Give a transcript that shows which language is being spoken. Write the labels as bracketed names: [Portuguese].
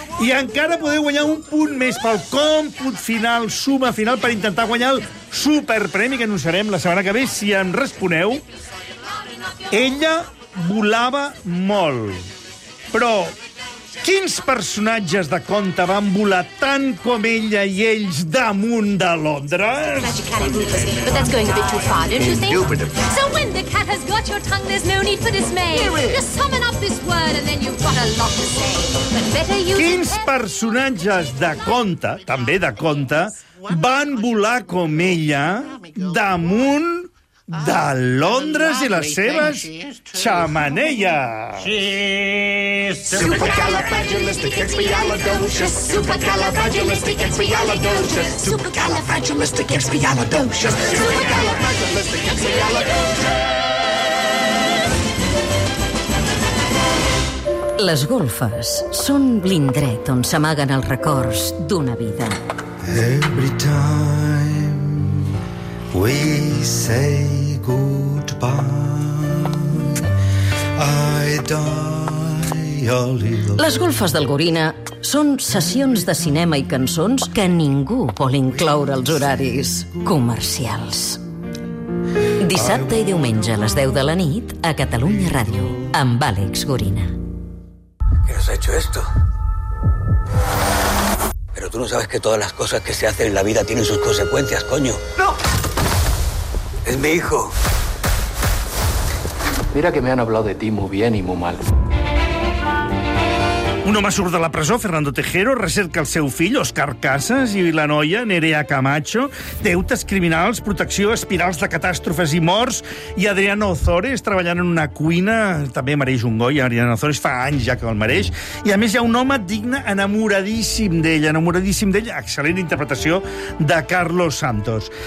[Catalan] I encara podeu guanyar un punt més pel còmput final, suma final, per intentar guanyar el superpremi que anunciarem la setmana que ve, si em responeu. Ella volava molt. Però quins personatges de conte van volar tant com ella i ells damunt de Londres? [English] So when the cat has got your tongue, there's no need for dismay. Just summon up this word and then you've got a lot to say. But better you. [Catalan] Quins personatges de conte, també de conte, van volar com ella damunt de Londres i les seves xamanelles. Les golfes són l'indret on s'amaguen els records d'una vida. [English] Every time we say goodbye, I die a little. [Catalan] Les golfes del Gorina són sessions de cinema i cançons que ningú vol incloure als horaris comercials. Dissabte i diumenge a les 10 de la nit a Catalunya Ràdio, amb Àlex Gorina. [Spanish] ¿Qué has hecho esto? Pero tú no sabes que todas las cosas que se hacen en la vida tienen sus consecuencias, coño. ¡No! Es mi hijo. Mira que me han hablado de ti muy bien y muy mal. [Catalan] Un home surt de la presó, Fernando Tejero, recerca el seu fill, Òscar Casas, i la noia, Nerea Camacho, deutes criminals, protecció, espirals de catàstrofes i morts, i Adriana Ozores treballant en una cuina, també mereix un Goya, Adriana Ozores, fa anys ja que el mereix, i a més hi ha un home digne, enamoradíssim d'ella, excel·lent interpretació de Carlos Santos.